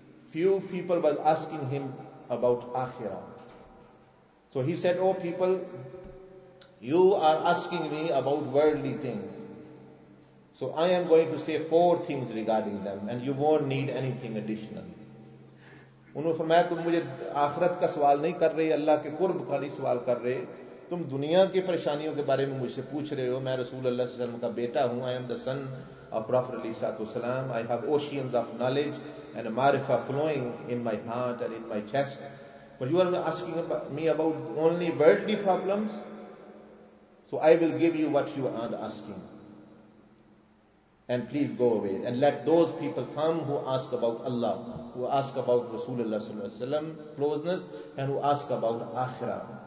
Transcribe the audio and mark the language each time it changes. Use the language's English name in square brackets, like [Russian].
[English] Few people were asking him about Akhirah. So he said, oh people, you are asking me about worldly things. So I am going to say 4 things regarding them, and you won't need anything additional. [Hindi] उन्होंने फरमाया तुम मुझे आखिरत का सवाल नहीं कर रहे, अल्लाह के कुर्ब का नहीं सवाल कर रहे, तुम दुनिया की परेशानियों के बारे में मुझसे पूछ रहे हो. मैं रसूल अल्लाह सल्लल्लाहु अलैहि वसल्लम का बेटा हूं. [English] I am the son of prophet [Hindi] Ali सल्लल्लाहु अलैहि वसल्लम. [English] I have oceans of knowledge and मारिफा flowing in my heart and in my chest. But you are asking me about only worldly problems, so I will give you what you are asking. And please go away. And let those people come who ask about Allah, who ask about Rasulullah sallallahu alaihi wasallam closeness, and who ask about Akhirah.